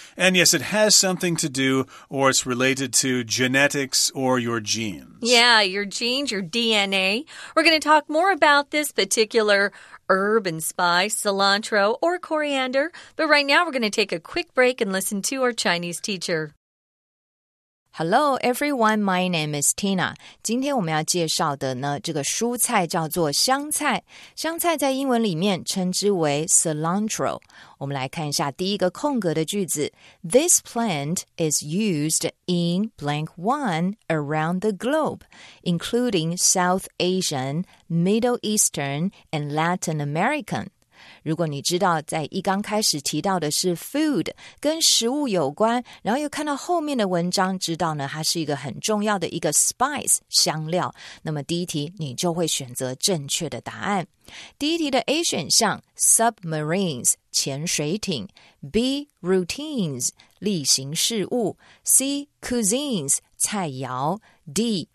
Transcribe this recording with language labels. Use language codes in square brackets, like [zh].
[en] And yes, it has something to do, or it's related to genetics or your genes. Yeah, your genes, your DNA. We're going to talk more about this particular herb and spice, cilantro or coriander. But right now, we're going to take a quick break and listen to our Chinese teacher. Hello, everyone. My name is Tina. [zh] 今天我们要介绍的呢，这个蔬菜叫做香菜。香菜在英文里面称之为 cilantro。我们来看一下第一个空格的句子。 [en] This plant is used in blank one around the globe, including South Asian, Middle Eastern, and Latin American. [zh] 如果你知道在一刚开始提到的是 food, 跟食物有关，然后又看到后面的文章知道呢它是一个很重要的一个 spice, 香料，那么第一题你就会选择正确的答案。第一题的 A 选项 ,submarines, 潜水艇 ,B, routines, 例行事务 ,C, cuisines,菜肴 D.